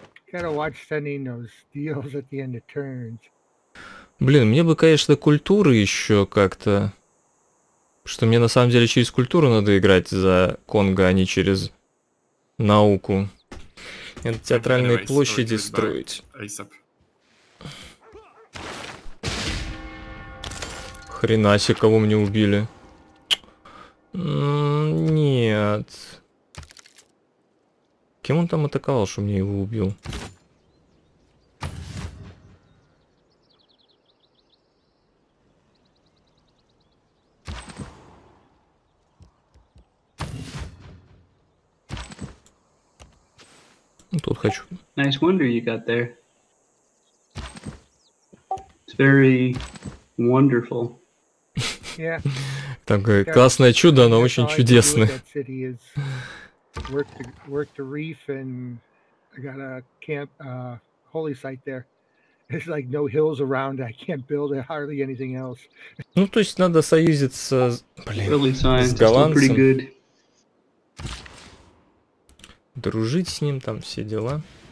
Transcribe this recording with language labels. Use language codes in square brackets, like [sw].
[en] Gotta watch sending those deals at the end of turns. [ru] Блин, мне бы, конечно, культуры еще как-то. Что мне на самом деле через культуру надо играть за Конго, а не через науку. Это театральные anyway, площади so строить. Хрена себе, кого мне убили. Нет. Кем он там атаковал, что мне его убил? Тут хочу. [en] Nice wonder you got there. It's very wonderful. Yeah. [ru] Там говорит, классное чудо, оно очень чудесное. [en] Work the reef and I got a camp holy site there. There's like no hills around. I can't build hardly anything else. [ru] Ну то есть надо союзиться, блин, [en] really [ru] с голландцем. Дружить с ним, там все дела.